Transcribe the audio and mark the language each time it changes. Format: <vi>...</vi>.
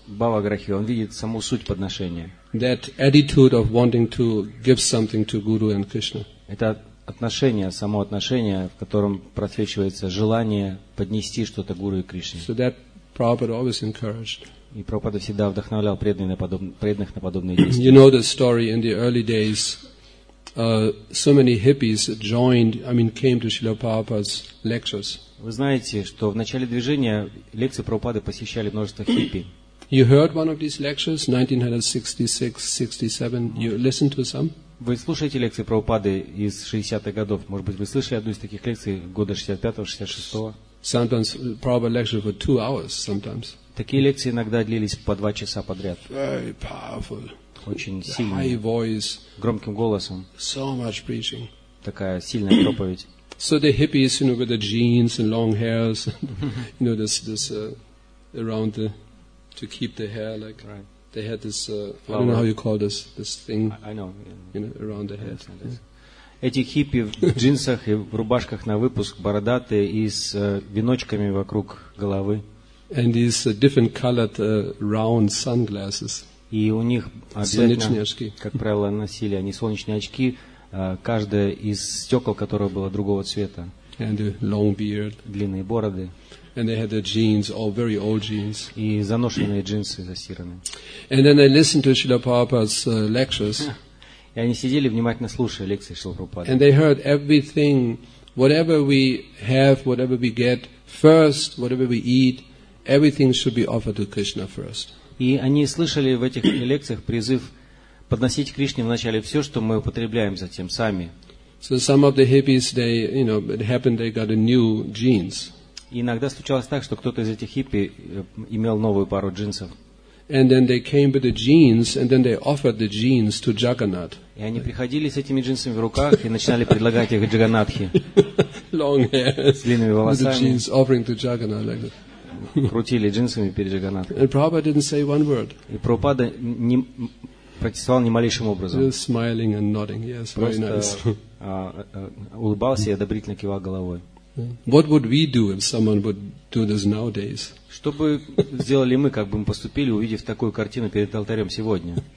<ru>Баба Грахи, он видит саму суть подношения.</ru> <en>That attitude of wanting to give something to Guru and Krishna.</en> <ru>Это отношение, само отношение, в котором просвечивается желание поднести что-то Гуру и Кришне.</ru> <en>So that Prabhupada always encouraged.</en> <ru>И Прабхупада всегда вдохновлял преданных на подобные действия.</ru> <en>You know the story in the early days, so many hippies joined, I mean, came to Srila Prabhupada's lectures.</en> <ru>Вы знаете, что в начале движения лекции Прабхупады посещали множество хиппи.</ru> <en>You heard one of these lectures, 1966-67. You listened to some?</en> <ru>Вы слушаете лекции Прабхупады из 60-х годов? Может быть, вы слышали одну из таких лекций года 65-66?</ru> <en>Sometimes Prabhupada lectures for 2 hours sometimes.</en> <ru>Такие лекции иногда длились по 2 часа подряд.</ru> <en>Very powerful.</en> <ru>Очень сильный.</ru> <en>High voice.</en> <ru>Громким голосом.</ru> <en>So much preaching.</en> <ru>Такая сильная проповедь.</ru> <en>So the hippies, you know, with the jeans and long hairs, you know, this around the to keep the hair like. Right. They had this, I don't know how you call this thing. I know, you know, around the head.</en> <ru>Эти хиппи в джинсах и в рубашках на выпуск, бородатые и с веночками вокруг головы.</ru> <en>And these different colored round sunglasses.</en> <ru>И у них обязательно, как правило, носили они солнечные очки, каждое из стекол которого было другого цвета.</ru> <en>And a long beard.</en> <ru>Длинные бороды.</ru> <en>And they had the jeans, all very old jeans.</en> <ru>И заношенные джинсы, застиранные.</ru> <en>And then they listened to Srila Prabhupada's lectures.</en> <ru>И они сидели внимательно слушая лекции Шрилы Прабхупады.</ru> <en>And they heard everything, whatever we have, whatever we get, first, whatever we eat, everything should be offered to Krishna first.</en> <ru>И они слышали в этих лекциях призыв подносить Кришне вначале все, что мы употребляем, затем сами.</ru> <en>So some of the hippies, they, you know, it happened they got a new jeans.</en> <ru>И иногда случалось так, что кто-то из этих хиппи имел новую пару джинсов.</ru> <en>And then they came with the jeans, and then they offered the jeans to Jagannath.</en> <ru>И они приходили с этими джинсами в руках и начинали предлагать их Джаганатхе.</ru> <en>Long hair.</en> <ru>С длинными волосами.</ru> <en>With the jeans offering to Jagannath. Like that.</en> <ru>Крутили джинсами перед Джаганатхом.</ru> <en>And Prabhupada didn't say one word.</en> <ru>И Прабхупада не протестовал ни малейшим образом.</ru> <en>Just smiling and nodding. Yes, very nice.</en> <ru>Просто улыбался и одобрительно кивал головой.</ru> <en>What would we do if someone would do this nowadays?</en> <ru>Что бы сделали мы, как бы мы поступили, увидев такую картину перед алтарем сегодня?</ru>